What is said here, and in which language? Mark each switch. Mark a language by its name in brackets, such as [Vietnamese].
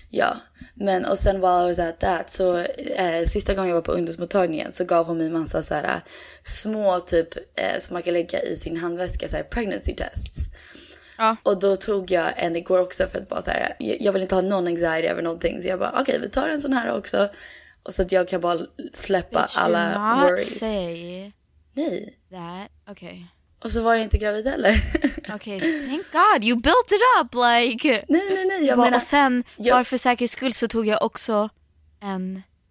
[Swedish] Ja, men och sen [English] while I was at that, [Swedish] så sista gången jag var på ungdomsmottagningen så gav hon mig massa så här små typ som man kan lägga i sin handväska, så här [English] pregnancy tests. [Swedish] Ja. Och då tog jag en igår också för att bara så här, jag vill inte ha någon anxiety över någonting. Så jag bara, okej, vi tar en sån här också. Och så att jag kan bara släppa alla worries. [English] Say... [Swedish] Nej. [English] That, okay. [Swedish] Och så var jag inte gravid heller. [English] Okay, thank god, you built it up, like. [Swedish] Nej, jag menar. Och sen, bara för säkerhets skull så tog jag också en